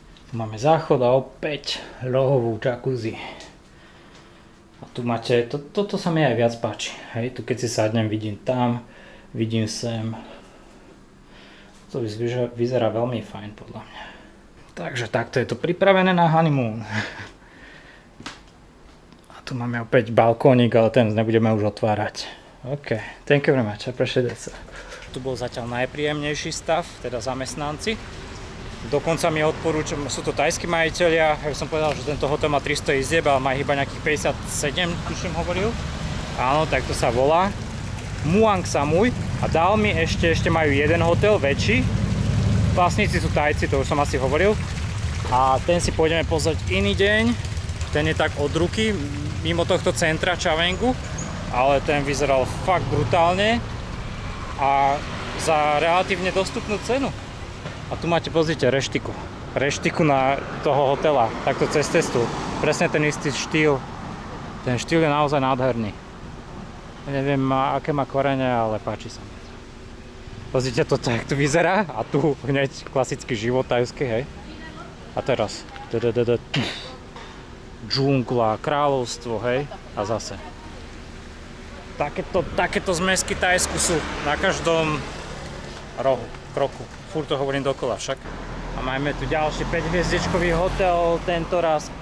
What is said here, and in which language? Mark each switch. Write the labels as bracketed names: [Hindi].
[Slovak] Tu máme záchod a opäť rohovú jacuzzi. A tu máte, toto sa mi aj viac páči, hej, tu keď si sadnem, vidím tam, vidím sem. To vyzerá veľmi fajn, podľa mňa. Takže takto je to pripravené na honeymoon. A tu máme opäť balkónik, ale ten nebudeme už otvárať. [English] OK, thank you very much, appreciate it. [Slovak] Tu bol zatiaľ najpríjemnejší stav, teda zamestnanci. Dokonca mi odporúčam, sú to tajskí majitelia, ja som povedal, že tento hotel má 300 izieb, ale má iba nejakých 57, tuším hovoril. Áno, tak to sa volá. Muang Samui. A dal mi ešte majú jeden hotel, väčší. Vlastníci sú Tajci, to už som asi hovoril. A ten si pôjdeme pozrieť iný deň. Ten je tak od ruky, mimo tohto centra Chavengu. Ale ten vyzeral fakt brutálne. A za relatívne dostupnú cenu. A tu máte, pozrite, reštiku. Reštiku na toho hotela, takto cez cestu. Presne ten istý štýl. Ten štýl je naozaj nádherný. Neviem, aké má korene, ale páči sa mi. Pozrite toto, jak tu vyzerá. A tu hneď klasický život tajský, hej. A teraz. Džungla, kráľovstvo, hej. A zase. Takéto zmesky Tajsku sú na každom rohu, kroku. Furt to hovorím dokola však. A máme tu ďalší 5 hviezdičkový hotel, tento raz